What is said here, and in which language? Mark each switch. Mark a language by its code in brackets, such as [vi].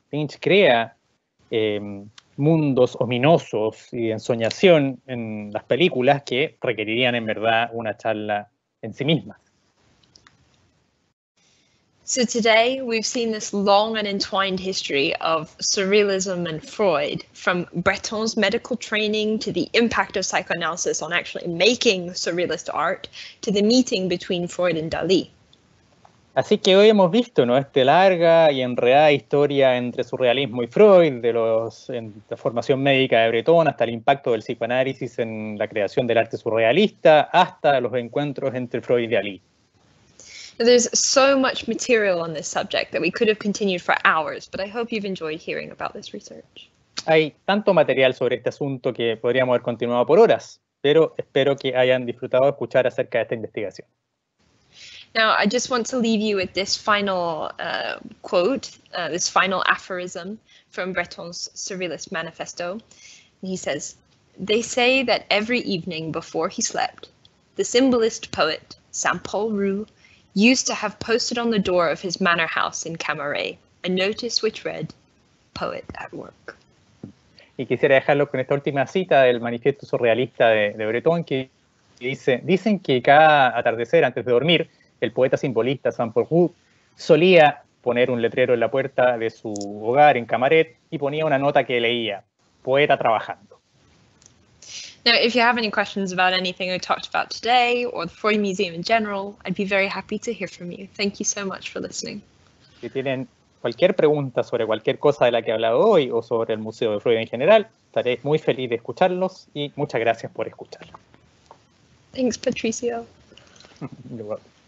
[es] Lynch crea mundos ominosos y de ensoñación en las películas que requerirían en verdad una charla en sí misma. [en] So today we've seen this long and entwined history of surrealism and Freud, from Breton's medical training to the impact of psychoanalysis on actually making surrealist art to the meeting between Freud and Dalí. [es] Así que hoy hemos visto, ¿no?, esta larga y enredada historia entre surrealismo y Freud, de la formación médica de Breton hasta el impacto del psicoanálisis en la creación del arte surrealista hasta los encuentros entre Freud y Dalí. [en] There's so much material on this subject that we could have continued for hours, but I hope you've enjoyed hearing about this research. [es] Hay tanto material sobre este asunto que podríamos haber continuado por horas, pero espero que hayan disfrutado de escuchar acerca de esta investigación. [en] Now, I just want to leave you with this final quote, this final aphorism from Breton's Surrealist Manifesto. He says, "They say that every evening before he slept, the symbolist poet, Saint-Paul Roux, used to have posted on the door of his manor house in Camaray a notice which read, 'Poet at work.'" [es] Y quisiera dejarlo con esta última cita del manifiesto surrealista de Breton, que dice: "Dicen que cada atardecer, antes de dormir, el poeta simbolista Saint-Paul Roux solía poner un letrero en la puerta de su hogar en Camaret y ponía una nota que leía: 'Poeta trabajando.'" [en] Now, if you have any questions about anything I talked about today or the Freud Museum in general, I'd be very happy to hear from you. Thank you so much for listening. [es] Si tienen cualquier pregunta sobre cualquier cosa de la que he hablado hoy o sobre el Museo de Freud en general, estaré muy feliz de escucharlos y muchas gracias por escuchar. [en] Thanks, Patricio. You're welcome.